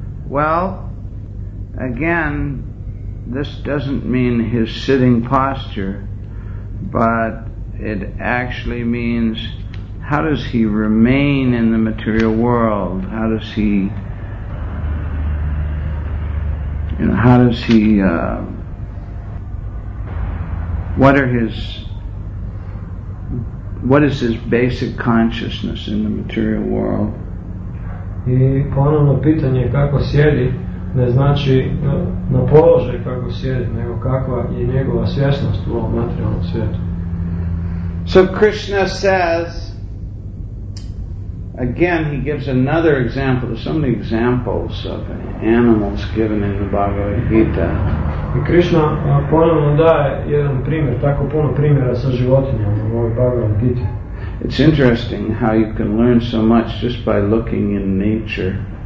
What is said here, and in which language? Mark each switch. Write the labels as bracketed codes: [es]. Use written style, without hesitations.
[en] Well, again, this doesn't mean his sitting posture, but it actually means, how does he remain in the material world? How does he, you know, how does he, what is his basic consciousness in the material world? [hr] I ponovno pitanje kako sjedi ne znači na položaj kako sjedi, nego kakva je njegova svjesnost u ovom materijalnom svijetu. [en] So Krishna says, again, he gives another example. There's so many examples of animals given in the Bhagavad Gita. [hr] Krishna ponovno daje jedan primjer, tako puno primjera sa životinjama u ovoj Bhagavad Gita. [en] It's interesting how you can learn so much just by looking in nature.